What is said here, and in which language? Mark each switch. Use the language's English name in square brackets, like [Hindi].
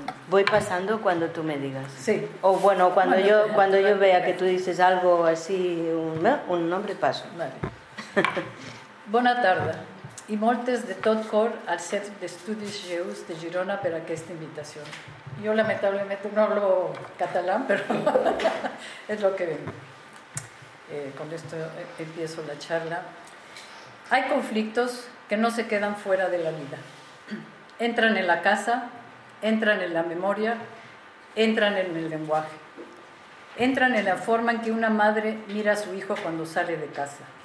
[Spanish] Voy pasando cuando tú me digas. Sí. O bueno, cuando yo vea que tú dices algo así, un nombre, paso. [Catalan] Vale. Bona tarda. I moltes de tot cor al Centre d'Estudis Jueus de Girona per aquesta invitació. Jo lamentablement no parlo català, però és el que veig. [Spanish] Con esto empiezo la charla. Hay conflictos que no se quedan fuera de la vida. Entran en la casa, entran en la memoria, entran en el lenguaje. Entran en la forma en que una madre mira a su hijo cuando sale de casa.